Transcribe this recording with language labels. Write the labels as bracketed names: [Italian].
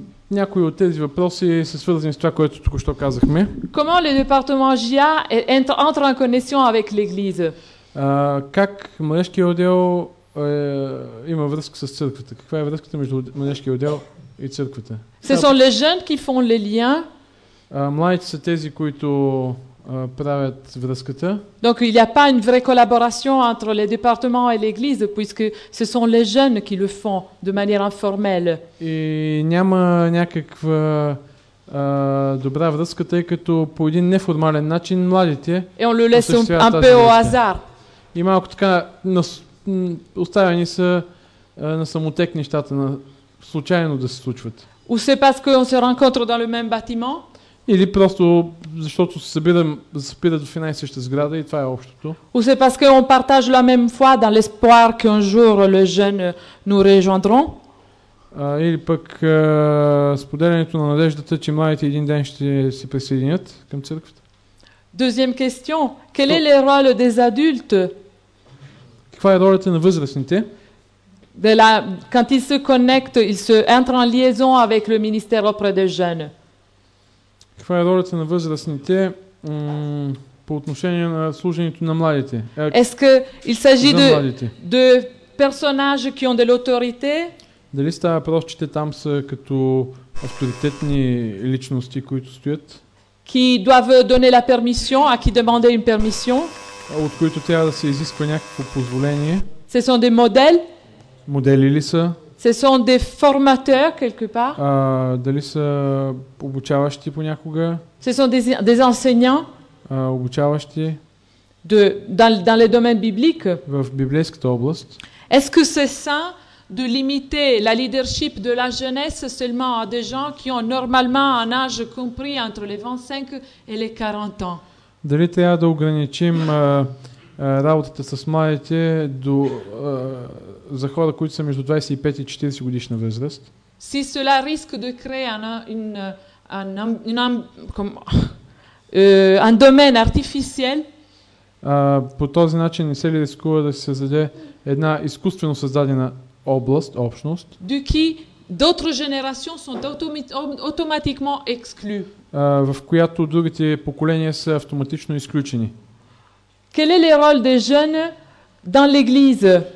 [Bulgarian] Някои от тези въпроси са свързани с това, което току-що казахме. [French] Comment le département GIA entre en connexion avec l'église? [Bulgarian] Как младежкият отдел има връзка с църквата? Каква е връзката между младежкият отдел и църквата? [French] Ce sont les jeunes qui font les liens. [Bulgarian] Младите са тези, които правят връзката. [French] Donc il n'y a pas une vraie collaboration entre les départements et l'église puisque ce sont les jeunes qui le font de manière informelle. [Bulgarian] И няма някаква добра връзка, тъй като по един неформален начин младите. [French] Et on le laisse un peu au hasard. [Bulgarian] И малко така оставени са на самотек нещата, на случайно да се случват. [French] Ou c'est parce qu'on se rencontre dans le même bâtiment? [Bulgarian] Или просто защото се събират в една и съща сграда и това е общото. [French] Ou c'est parce qu'on partage la même foi dans l'espoir qu'un jour les jeunes nous rejoindront? [Bulgarian] Или пък споделянето на надеждата, че младите един ден ще се присъединят към църквата. [French] Deuxième question, quel est le rôle des adultes? [Bulgarian] Каква е ролята на възрастните? [French] Quand ils se connectent, ils entrent en liaison avec le ministère auprès des jeunes. [Bulgarian] Каква е ролята на възрастните по отношение на служението на младите? [French] Est-ce qu'il s'agit de personnages qui ont de l'autorité? [Bulgarian] Дали става въпрос, че те там са като авторитетни личности, които стоят? [French] Qui doivent donner la permission à qui demander une permission? [Bulgarian] От които трябва да се изисква някакво позволение? [French] Ce sont des modèles? [Bulgarian] Модели ли са? [French] Ce sont des formateurs quelque part? [Bulgarian] Дали са обучаващи понякога? [French] Ce sont des enseignants? [Bulgarian] Обучаващи? [French] Dans les domaines bibliques? [Bulgarian] В библейската област? [French] Est-ce que c'est sain de limiter la leadership de la jeunesse seulement à des gens qui ont normalement un âge compris entre les 25 et les 40 ans? [Bulgarian] Дали трябва да ограничим работата с младите до за хора, които са между 25 и 40 годишна възраст? [French] Si cela risque de créer un domaine artificiel? [Bulgarian] По този начин не се ли рискува да се създаде една изкуствено създадена област, общност? [French] De qui d'autres générations sont automatiquement exclues? [Bulgarian] В която другите поколения са автоматично изключени. [French] Quel est le rôle des jeunes dans l'église?